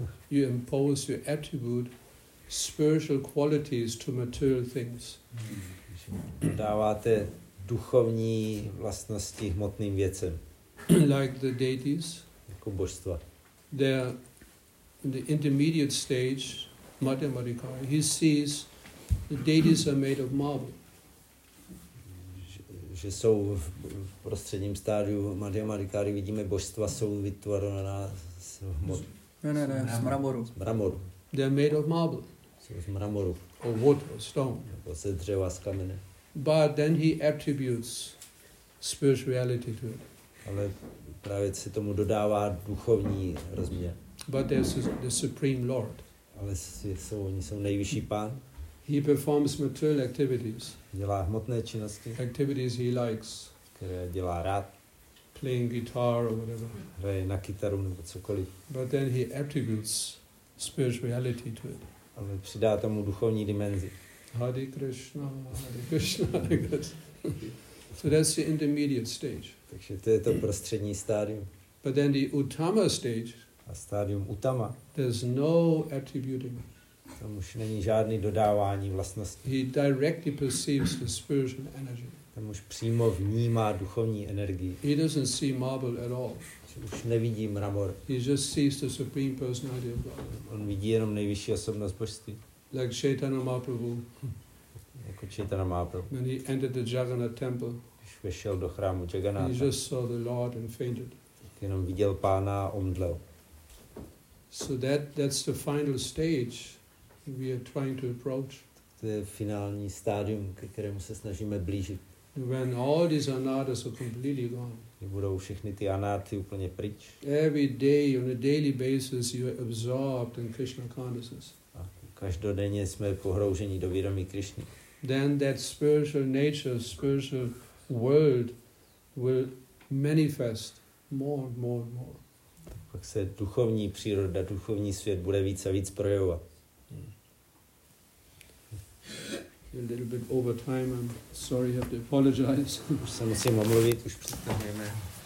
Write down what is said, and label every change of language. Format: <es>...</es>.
<en>You impose your attribute spiritual qualities to material things.</en> <cs>Dáváte duchovní vlastnosti hmotným věcem.</cs> <en>Like the deities.</en> <cs>Jako božstva.</cs> <en>They are in the intermediate stage, Madhyamadhikari, he sees the deities are made of marble.</en> <cs>že jsou v prostředním stádiu Madhya Madhikari, vidíme božstva, jsou vytvořená z hmotu. Ne, z mramoru. Z mramoru.</cs> <en>They are made of marble.</en> <cs>Jsou z mramoru.</cs> <en>Or wood, or stone.</en> <cs>Nebo ze dřeva, z kamene.</cs> <en>But then he attributes spiritual reality to it.</en> <cs>Ale právě se tomu dodává duchovní rozměr.</cs> <en>But there's the supreme lord.</en> <cs>Ale jsou, oni jsou nejvyšší pán.</cs> <en>He performs material activities.</en> <cs>Dělá hmotné činnosti.</cs> <en>Activities he likes.</en> <cs>Které dělá rád.</cs> <en>Playing guitar or whatever.</en> <cs>Hraje na kytaru nebo cokoliv.</cs> <en>But then he attributes spiritual reality to it.</en> <cs>Ale přidá tomu duchovní dimenzi.</cs> <en>Hare Krishna, Hare Krishna, Hare Krishna. So that's the intermediate stage.</en> <cs>Takže to je to prostřední stádium.</cs> <en>But then the Uttama stage.</en> <cs>A stádium Uttama.</cs> <en>There's no attributing.</en> <cs>Tam už není žádný dodávání vlastnosti.</cs> <en>He directly perceives the spiritual energy.</en> <cs>Tam už přímo vnímá duchovní energii.</cs> <en>He doesn't see marble at all.</en> <cs>Už nevidí mramor.</cs> <en>He just sees the supreme personality of God.</en> <cs>On vidí jenom nejvyšší osobnost božství.</cs> <en>Like Chaitanya Mahaprabhu.</en> <cs>Jako Chaitanya Mahaprabhu.</cs> <en>When he entered the Jagannath temple.</en> <cs>Když vešel do chrámu Jagannatha.</cs> <en>He just saw the Lord and fainted.</en> <cs>Jenom viděl pána a omdlel.</cs> <en>So that's the final stage we are trying to approach.</en> <cs>To je finální stádium, ke kterému se snažíme blížit.</cs> <en>When all these anarthas are completely gone.</en> <cs>Kdy budou všechny ty anarty úplně pryč.</cs> <en>Every day, on a daily basis, you are absorbed in Krishna consciousness.</en> <cs>A každodenně jsme pohrouženi do vědomí Krishny.</cs> <en>Then that spiritual nature, spiritual world will manifest more and more and more.</en> <cs>Tak pak se duchovní příroda, duchovní svět bude víc a víc projevovat.</cs> <en>A little bit over time, I'm sorry, I have to apologize.</en> <cs>Už se musím omluvit, už přestaneme.</cs>